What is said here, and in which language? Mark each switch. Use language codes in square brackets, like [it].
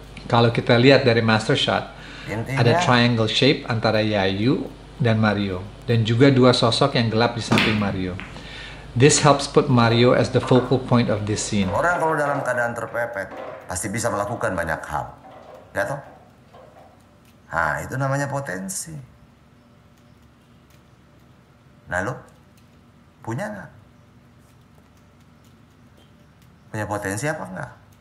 [id] Kalau kita lihat dari master shot, intinya, ada triangle shape antara Yayu dan Mario. Dan juga dua sosok yang gelap di samping Mario. [en] This helps put Mario as the focal point of this scene. [id] Orang kalau dalam keadaan terpepet, pasti bisa melakukan banyak hal. Gak tau? Nah, itu namanya potensi. Nah, lo punya nggak? Punya potensi apa nggak?